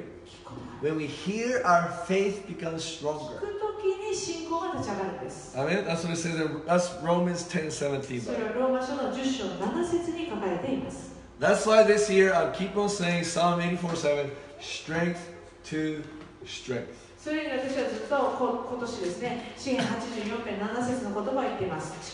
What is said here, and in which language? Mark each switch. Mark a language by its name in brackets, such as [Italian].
[English] Hearing when we hear our faith becomes stronger. [Japanese] 聞くときに信仰が立ち上がるんです。 [English] I mean, that's what it says in that's Romans 10:17. [Japanese] それはローマ書の10章7節に書かれています。 [English] That's why this year I keep on saying Psalm 84:7, strength to strength. [Japanese] それに私はずっと今年ですね、詩篇 84.7 節の言葉を言っています。